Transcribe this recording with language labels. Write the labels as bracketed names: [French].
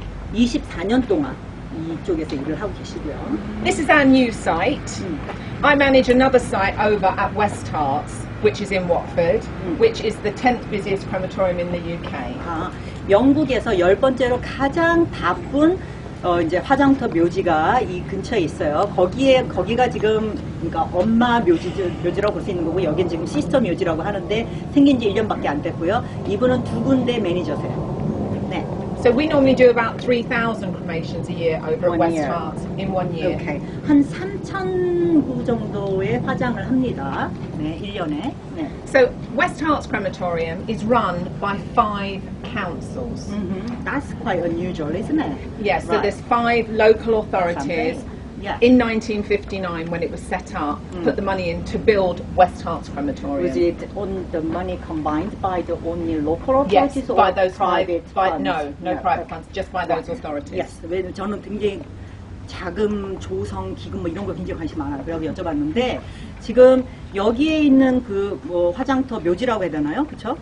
[Korean] 24년 동안 이쪽에서 일을 하고 계시고요. [English] This is our new site. I manage another site over at West Harts, which is in Watford, which is the 10th busiest crematorium in the UK. [Korean] 영국에서 열 번째로 가장 바쁜 이제 화장터 묘지가 이 근처에 있어요. 거기가 지금 그러니까 엄마 묘지라고 볼 수 있는 거고 여긴 지금 시스터 묘지라고 하는데 생긴 지 1년밖에 안 됐고요. 이분은 두 군데 매니저세요. 네. [English] So we normally do about 3,000 cremations a year over at West Harts in one year. Okay. [Korean] 한 3,000구 정도의 화장을 합니다. 네, 1년에. 네. [English] So West Harts Crematorium is run by 5 councils. Mm-hmm. That's quite unusual, isn't it? Yes, right. So there's 5 local authorities. Yeah. In 1959, when it was set up, put the money in to build West Harts Crematorium. Was it on the money combined by the only local authorities yes, or by those private by, funds? No private funds, just by those authorities. [Korean] Yes, 왜냐면 저는 굉장히 자금 조성 기금 뭐 이런 거 굉장히 관심 많아요. 그래서 여쭤봤는데 지금 여기에 있는 그 뭐 화장터 묘지라고 해야 되나요? 그렇죠?